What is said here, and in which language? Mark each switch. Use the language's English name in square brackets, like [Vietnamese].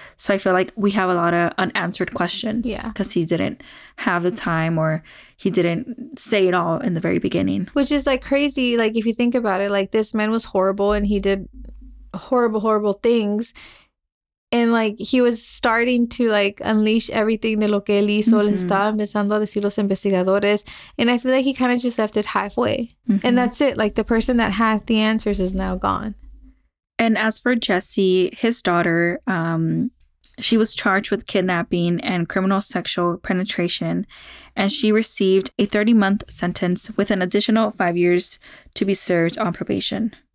[English] So I feel like we have a lot of unanswered questions because he didn't have the time or he didn't say it all in the very beginning. Which is, like, crazy. Like, if you think about it, like, this man was horrible and he did horrible, horrible things. And, like, he was starting to, like, unleash everything [Spanish] de lo que él hizo. Mm-hmm. Le estaba empezando a decir los investigadores. [English] And I feel like he kind of just left it halfway. Mm-hmm. And that's it. Like, the person that had the answers is now gone. And as for Jesse, his daughter, she was charged with kidnapping and criminal sexual penetration, and she received a 30-month sentence with an additional 5 years to be served on probation.